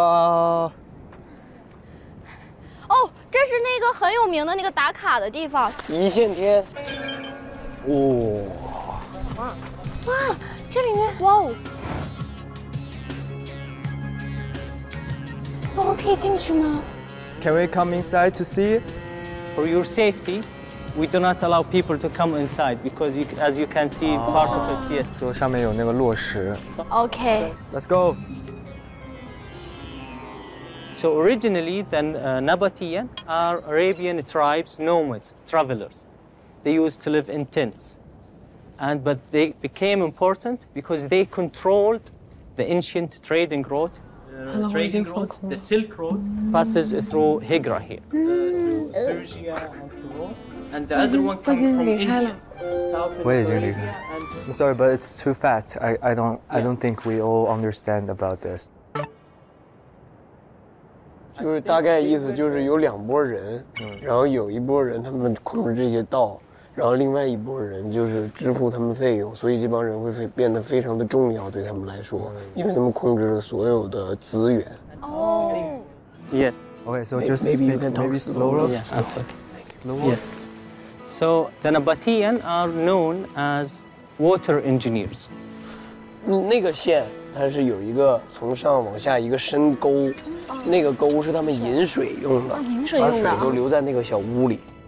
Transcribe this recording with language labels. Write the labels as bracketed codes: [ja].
[zh] 哦，这是那个很有名的那个打卡的地方，一线天。哇、哦、哇，这里面哇哦，我们可以进去吗？ [en] Can we come inside to see? For your safety. We do not allow people to come inside because, you, as you can see,、oh. part of it, yes. [zh] 说上面有那个落石。 [en] Okay. Let's go. So originally, then、Nabataean are Arabian tribes, nomads, travelers. They used to live in tents, and but they became important because they controlled the ancient trading route. Trading route, the Silk Road, passes through Hegra here. Persia and Rome. And the other one came from India. I'm sorry, but it's too fast. I don't think we all understand about this. [zh] 就是大概意思就是有两拨人，然后有一拨人他们控制这些道，然后另外一拨人就是支付他们费用，所以这帮人会变得非常的重要对他们来说，因为他们控制了所有的资源。 [en] Yes. Okay, so just maybe you can talk slower. Yes. Slower. Yes. So the Nabataean are known as water engineers. [zh] 那个线它是有一个从上往下一个深沟，那个沟是他们饮水用的，把水都留在那个小屋里。